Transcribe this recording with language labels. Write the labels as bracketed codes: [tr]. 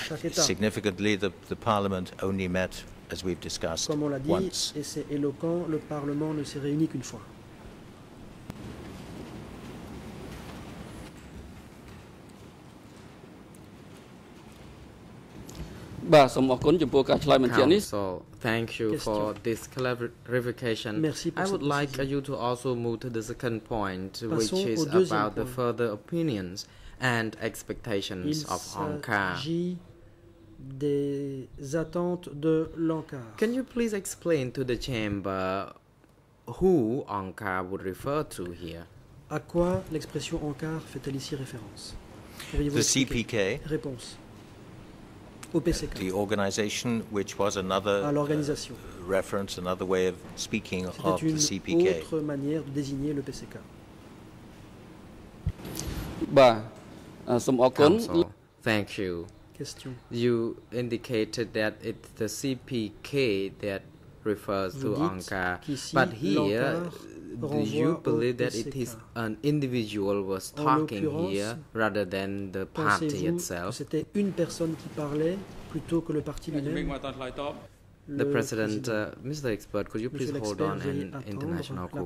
[en] Significantly, the Parliament only met, as we've discussed, once. [fr] Et c'est éloquent, le Parlement ne s'est réuni qu'une fois. [en] Council, thank you for this clarification. I would like you to also move to the second point, which is about the further opinions and expectations of Ankara. [fr] Des attentes de l'Ankara. [en] Can you please explain to the chamber who Ankara would refer to here? [fr] À quoi l'expression Ankara fait-elle ici référence? [en] The CPK. [fr] Réponse. [en] The organization, which was another reference, another way of speaking of the CPK. [fr] C'était une autre manière de désigner le PCK. [en] Council, thank you. Question. You indicated that it's the CPK that refers [fr] Vous [en] to Ankara, but here, do you believe that it is an individual was talking here rather than the party itself? [fr] C'était une personne qui parlait plutôt que le parti lui-même. [en] The President, Mr. Expert, could you please hold on and International Court